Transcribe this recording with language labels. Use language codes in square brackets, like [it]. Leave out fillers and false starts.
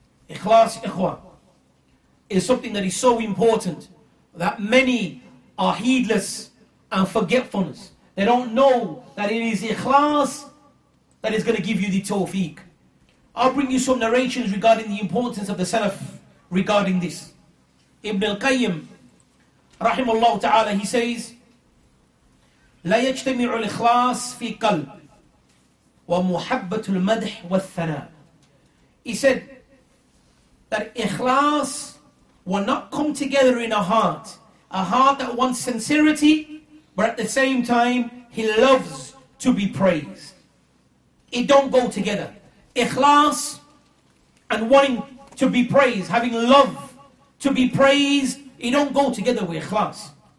[en] Ikhlas, ikhwan, is something that is so important that many are heedless and forgetfulness. They don't know that it is ikhlas that is going to give you the tawfiq. I'll bring you some narrations regarding the importance of the Salaf regarding this. [ar] Ibn al-Qayyim, rahimahullah ta'ala, [en] he says, [ar] لا يجتمع الإخلاص في قلب ومحبة المدح والثناء. [en] He said that ikhlas will not come together in a heart that wants sincerity, but at the same time, he loves to be praised. It don't go together. Ikhlas and wanting to be praised, having love to be praised, it don't go together with ikhlas.